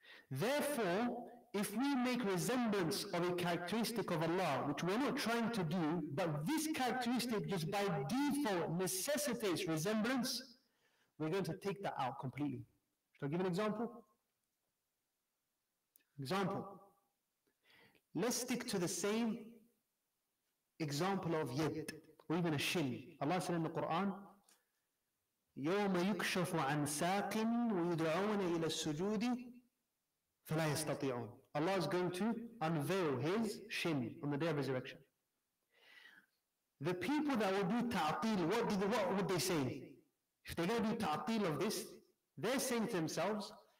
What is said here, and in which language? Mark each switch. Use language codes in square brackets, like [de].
[en] Therefore, if we make resemblance of a characteristic of Allah, which we're not trying to do, but this characteristic just by default necessitates resemblance, we're going to take that out completely. Shall I give an example? Example. Let's stick to the same example of yad, or even a shin. Allah said in the Quran, [ar] يَوْمَ يُكْشَفُ عَنْ سَاقٍ وَيُدْعَوْنَ إِلَى السُّجُودِ فَلَا يَسْتَطِعُونَ. [en] Allah is going to unveil His shin on the day of resurrection. The people that will do ta'atil, what would they say? If they're going to do ta'atil of this, they're saying to themselves,